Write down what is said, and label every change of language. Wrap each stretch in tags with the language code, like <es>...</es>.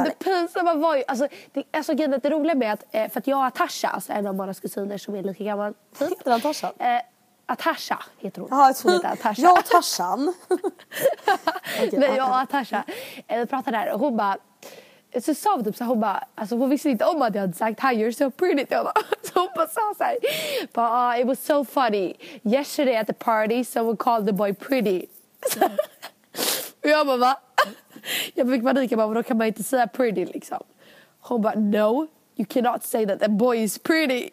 <sv>Men det pinsamma var ju, alltså, det är roligt med att, för att jag och Tasha, alltså en av våra kusiner som är lika gammal. Heter han Tasha? Atasha heter hon. Ja, Atasha. Jag och Tarsan. Nej, jag och Atasha. Vi pratade där och hon bara, så sa vi typ så här, hon bara, alltså hon visste inte om att jag hade sagt</sv> <en>hi, you're so pretty.</en> <sv>Jag bara, så hon bara sa så här, bara,</sv> <en>it was so funny. Yesterday at the party someone called the boy pretty.</en> <sv>Och jag bara, va? Jag fick panik, jag bara, då kan man inte säga pretty liksom. Hon bara,</sv> <en>no, you cannot say that the boy is pretty.</en>